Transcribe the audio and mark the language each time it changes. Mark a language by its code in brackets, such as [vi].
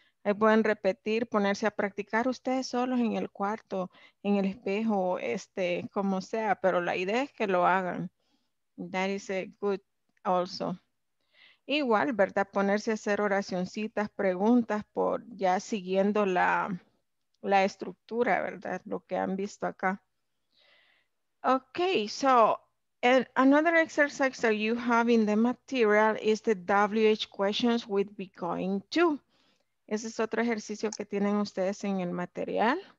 [es] Ahí pueden repetir, ponerse a practicar ustedes solos en el cuarto, en el espejo, este, como sea. Pero la idea es que lo hagan. [en] That is a good also. [es] Igual, ¿verdad? Ponerse a hacer oracioncitas, preguntas, por ya siguiendo la estructura, ¿verdad? Lo que han visto acá. [en] Ok, so, another exercise that you have in the material is the WH questions with be going to. [es] Ese es otro ejercicio que tienen ustedes en el material.